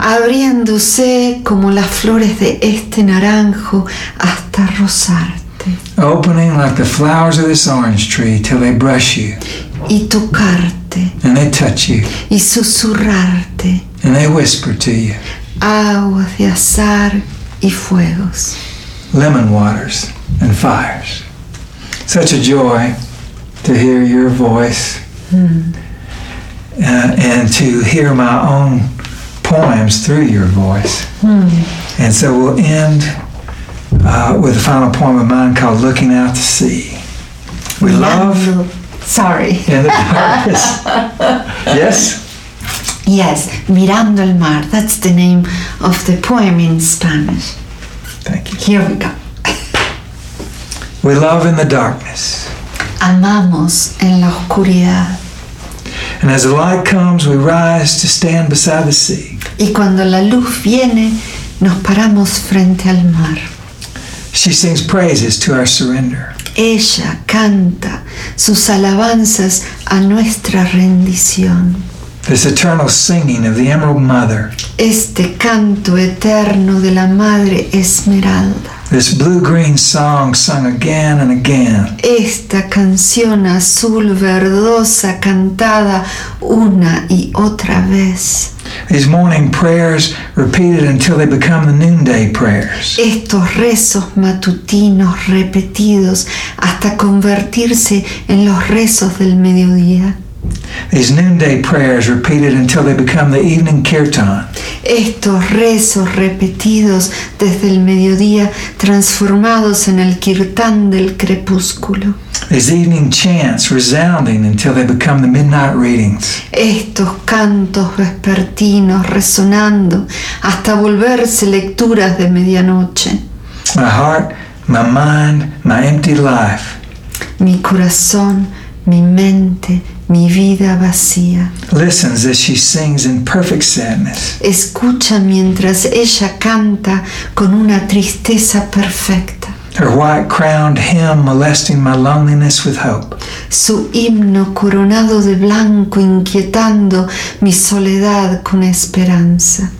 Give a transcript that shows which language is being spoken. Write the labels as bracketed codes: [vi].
[es] Abriéndose como las flores de este naranjo hasta rozarte. [en] Opening like the flowers of this orange tree till they brush you. [es] Y tocarte. [en] And they touch you. [es] Y susurrarte. [en] And they whisper to you. [es] Aguas de azar y fuegos. [en] Lemon waters and fires. Such a joy to hear your voice. And to hear my own poems through your voice. And so we'll end with a final poem of mine called Looking Out to Sea. We love... Sorry. In the darkness. Yes? [es] Yes. Mirando el mar. [en] That's the name of the poem in Spanish. Thank you. Here we go. We love in the darkness. [es] Amamos en la oscuridad. [en] And as the light comes, we rise to stand beside the sea. [es] Y cuando la luz viene, nos paramos frente al mar. [en] She sings praises to our surrender. [es] Ella canta sus alabanzas a nuestra rendición. [en] This eternal singing of the Emerald Mother. [es] Este canto eterno de la Madre Esmeralda. [en] This blue-green song sung again and again. [es] Esta canción azul verdosa cantada una y otra vez. [en] These morning prayers repeated until they become the noonday prayers. [es] Estos rezos matutinos repetidos hasta convertirse en los rezos del mediodía. [en] These noonday prayers repeated until they become the evening kirtan. [es] Estos rezos repetidos desde el mediodía transformados en el kirtan del crepúsculo. [en] These evening chants resounding until they become the midnight readings. [es] Estos cantos vespertinos resonando hasta volverse lecturas de medianoche. [en] My heart, my mind, my empty life. [es] Mi corazón, mi mente, mi vida vacía. [en] Listens as she sings in perfect sadness. [es] Escucha mientras ella canta con una tristeza perfecta. [en] Her white-crowned hymn molesting my loneliness with hope. [es] Su himno coronado de blanco inquietando mi soledad con esperanza.